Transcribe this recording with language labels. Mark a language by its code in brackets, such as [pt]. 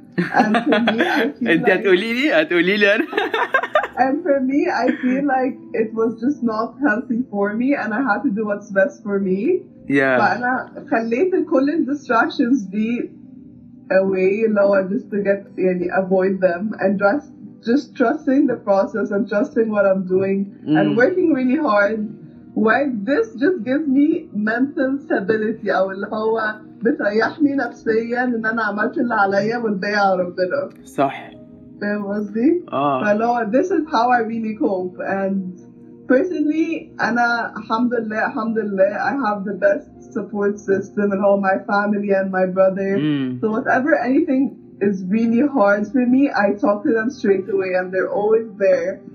[en] And for me, I feel like it was just not healthy for me, and I had to do what's best for me. Yeah. But I let the distractions be away, you know, and just to get avoid them, and just trusting the process and trusting what I'm doing and working really hard. Why this just gives me mental stability. I will [ar] هو بتريحني نفسيا ان انا عملت اللي عليا والباقي على ربنا. صح. فاهم قصدي؟ اه. [en] فلو this is how I really cope. And personally [ar] انا الحمد لله [en] I have the best support system and all my family and my brother. So whatever anything is really hard for me, I talk to them straight away and they're always there.